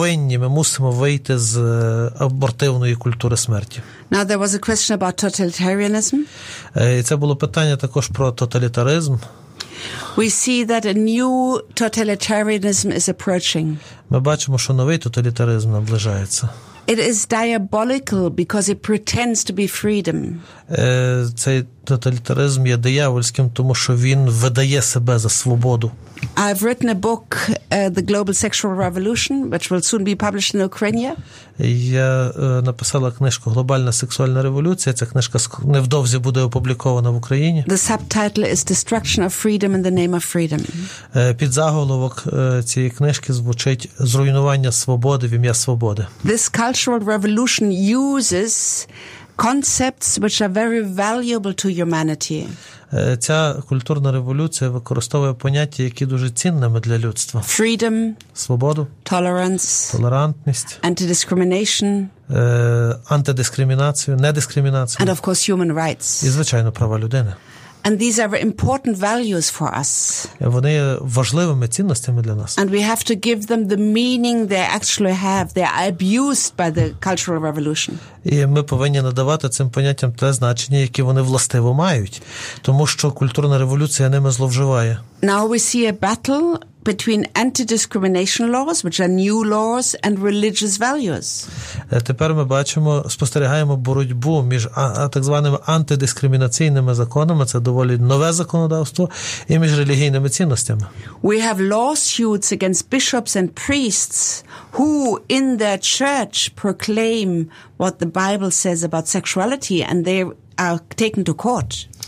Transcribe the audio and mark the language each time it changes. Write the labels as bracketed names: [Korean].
[Ukrainian] І ми мусимо вийти з абортивної культури смерті. [English] Now there was a question about totalitarianism. [Ukrainian] І це було питання також про тоталітаризм. [English] We see that a new totalitarianism is approaching. [Ukrainian] Ми бачимо, що новий тоталітаризм наближається. [English] It is diabolical because it pretends to be freedom. [Ukrainian] Цей тоталітаризм є диявольським, тому що він видає себе за свободу. [English] I've written a book, The Global Sexual Revolution, which will soon be published in Ukraine. [Ukrainian] Я написала книжку «Глобальна сексуальна революція». Ця книжка невдовзі буде опублікована в Україні. [English] The subtitle is Destruction of Freedom in the Name of Freedom. [Ukrainian] Під заголовок цієї книжки звучить «Зруйнування свободи в ім'я свободи». [English] This cultural revolution uses concepts which are very valuable to humanity. [Ukrainian] Ця культурна революція використовує поняття, які дуже цінними для людства. [English] Freedom, [Ukrainian] свободу, [English] tolerance, [Ukrainian] толерантність, [English] anti-discrimination, [Ukrainian] антидискримінацію, недискримінацію, [English] and of course human rights. [Ukrainian] І, звичайно, права людини. [English] And these are important values for us. [Ukrainian] Вони є важливими цінностями для нас. [English] And we have to give them the meaning they actually have. They are abused by the cultural revolution. [Ukrainian] І ми повинні надавати цим поняттям те значення, яке вони властиво мають, тому що культурна революція ними зловживає. [English] Now we see a battle between anti-discrimination laws, which are new laws, and religious values. [Ukrainian] Тепер ми бачимо, спостерігаємо боротьбу між так званими антидискримінаційними законами, це доволі нове законодавство, і між релігійними цінностями. [English] We have lawsuits against bishops and priests who in their church proclaim what the Bible says about sexuality, and they are taken to court.